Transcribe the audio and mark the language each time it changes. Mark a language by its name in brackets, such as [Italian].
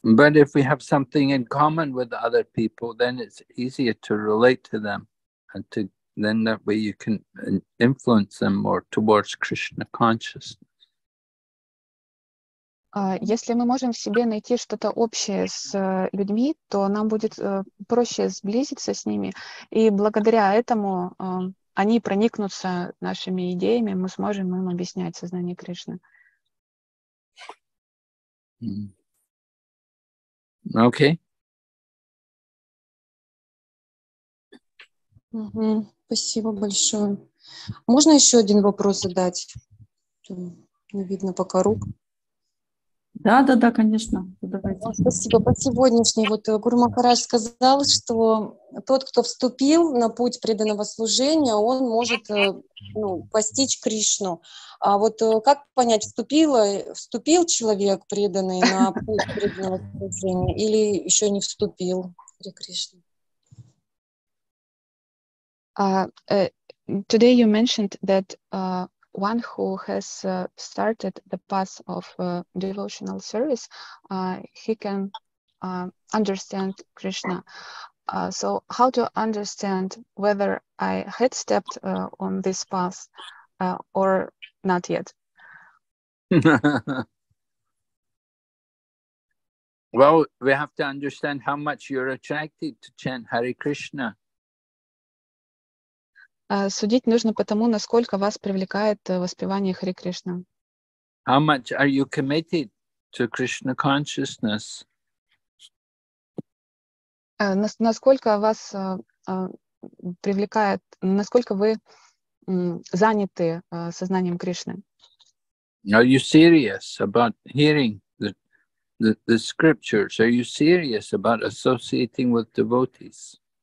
[English] But if we have something in common with other people, then it's easier to relate to them and to then that way you can influence them more towards Krishna consciousness. [Russian] Если мы можем в себе найти что-то общее с людьми, то нам будет проще сблизиться с ними, и благодаря этому они проникнутся нашими идеями, мы сможем им объяснять сознание Кришны. [English] Okay. [Russian] Спасибо большое. Можно еще один вопрос задать? Видно пока рук. Да, конечно. Давайте. Спасибо. По сегодняшней вот Гуру Махарадж сказал, что тот, кто вступил на путь преданного служения, он может постичь Кришну. А вот как понять, вступил человек преданный на путь преданного служения или еще не вступил при Кришне? [English] Today you mentioned that one who has started the path of devotional service, he can understand Krishna. So how to understand whether I had stepped on this path or not yet? Well, we have to understand how much you're attracted to chant Hare Krishna. [Russian] Судить нужно по тому, насколько вас привлекает воспевание Хари Кришна. [English] How much are you committed to Krishna consciousness? [Russian] Насколько вас привлекает, насколько вы заняты сознанием Кришны? [English] Are you serious about hearing the scriptures? Are you serious about associating with devotees?